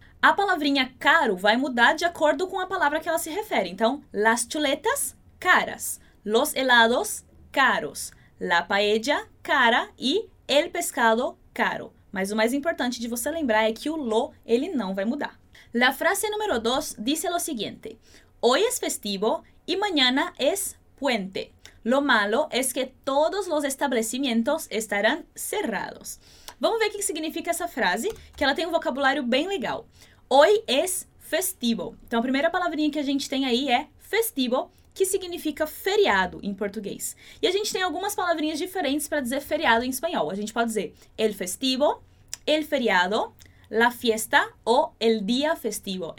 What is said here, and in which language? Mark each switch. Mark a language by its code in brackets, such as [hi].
[pt] A palavrinha caro vai mudar de acordo com a palavra que ela se refere. Então, las chuletas, caras. Los helados, caros. [es] La paella, cara, e el pescado, caro. [pt] Mas o mais importante de você lembrar é que o lo, ele não vai mudar. [es] La frase número 2 dice lo siguiente. Hoy es festivo y mañana es puente. Lo malo es que todos los establecimientos estarán cerrados. [pt] Vamos ver o que significa essa frase, que ela tem um vocabulário bem legal. [es] Hoy es festivo. [pt] Então, a primeira palavrinha que a gente tem aí é festivo, que significa feriado em português. E a gente tem algumas palavrinhas diferentes para dizer feriado em espanhol. A gente pode dizer [es] el festivo, el feriado, la fiesta ou el día festivo.